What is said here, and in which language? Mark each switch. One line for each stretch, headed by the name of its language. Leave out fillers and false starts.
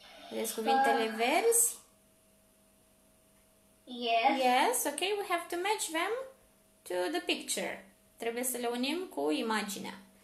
Romanian: Vedeți cuvintele verzi?
English: Yes. Yes, okay, we have to match them to the picture.
Romanian: Trebuie să le unim cu imaginea.